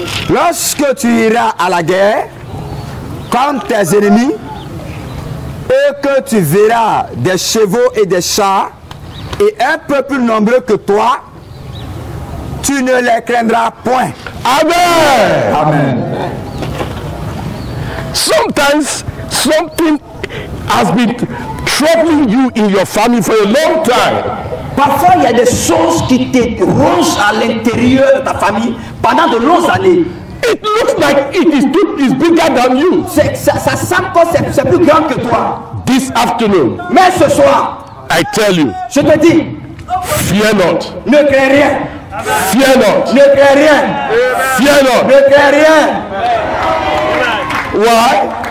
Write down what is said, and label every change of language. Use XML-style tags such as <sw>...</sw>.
<fr>Lorsque tu iras à la guerre contre tes ennemis et que tu verras des chevaux et des chars et un peu plus nombreux que toi, tu ne les craindras point. Amen. Amen.</fr> <en>Sometimes something has been troubling you in your family for a long time.</en> <fr>Parfois, il y a des choses qui te rongent à l'intérieur de ta famille pendant de longues années.</fr> <en>It looks like it is too, it's bigger than you.</en> <fr>Ça sent comme c'est plus grand que toi.</fr> <en>This afternoon.</en> <fr>Mais ce soir.</fr> <en>I tell you.</en> <fr>Je te dis.</fr> <en>Fear not.</en> <fr>Ne crains rien.</fr> <en>Fear not.</en> <fr>Ne crains rien.</fr> <en>Fear not.</en> <fr>Ne crains rien.</fr> <en>Why?</en>